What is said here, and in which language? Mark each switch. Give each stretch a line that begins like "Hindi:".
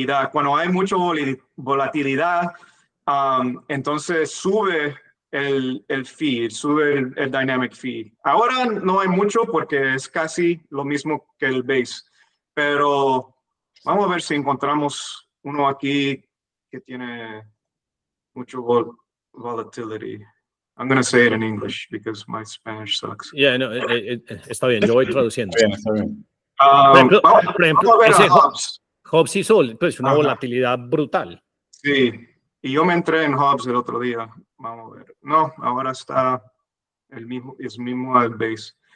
Spanish: Cuando hay mucha volatilidad, entonces sube el feed, sube el dynamic feed. Ahora no hay mucho porque es casi lo mismo que el base, pero vamos a ver si encontramos uno aquí que tiene mucho volatility.
English: I'm going to say it in English because my Spanish sucks.
Spanish: Yeah, no, está bien, yo voy traduciendo. Bien, está bien. Por ejemplo, Hobbs y Sol, pues una volatilidad brutal. Sí, y yo me entré en Hobbs el otro día. Vamos a ver. No, ahora está el mismo al base.